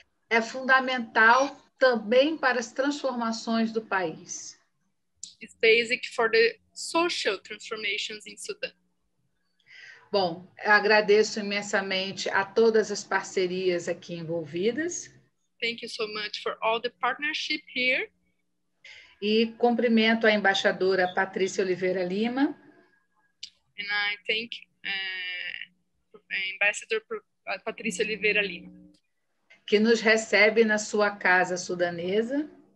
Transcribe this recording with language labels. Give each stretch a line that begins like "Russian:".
Portuguese: É fundamental também para as transformações do país.
English: It's basic for the social transformations in Sudan.
Portuguese: Bom, agradeço imensamente a todas as parcerias aqui envolvidas.
English: Thank you so much for all the partnership here.
Portuguese: E cumprimento a embaixadora Patrícia Oliveira Lima.
English: And I thank Ambassador Patrícia Oliveira Lima.
Portuguese: Que nos recebe na sua casa sudanesa.